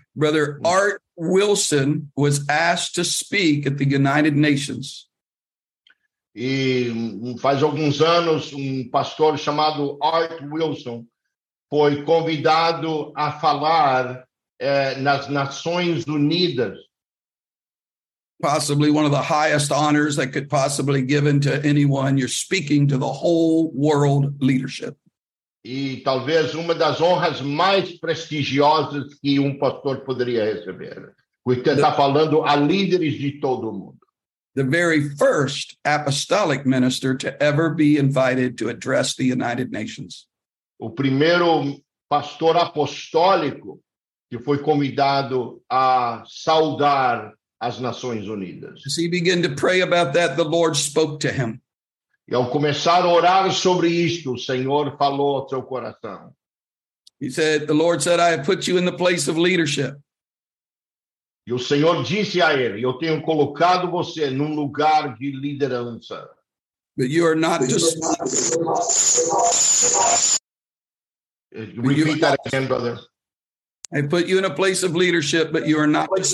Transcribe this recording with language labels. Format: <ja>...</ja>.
<en>Brother Art Wilson was asked to speak at the United Nations.</en> <pt>E faz alguns anos, pastor chamado Art Wilson foi convidado a falar nas Nações Unidas.</pt> <en>Possibly one of the highest honors that could possibly be given to anyone. You're speaking to the whole world leadership.</en> <pt>E talvez uma das honras mais prestigiosas que pastor poderia receber. Você está falando a líderes de todo mundo.</pt> <en>The very first apostolic minister to ever be invited to address the United Nations.</en> <pt>O primeiro pastor apostólico que foi convidado a saudar as Nações Unidas.</pt> <en>As he began to pray about that, the Lord spoke to him.</en> <pt>E ao começar a orar sobre isto, o Senhor falou ao seu coração.</pt> <en>He said, the Lord said, I have put you in the place of leadership.</en> <pt>E o Senhor disse a ele, eu tenho colocado você num lugar de liderança.</pt> <en>But you are not to speak. Repeat that again, brother. I put you in a place of leadership, but you are not.</en>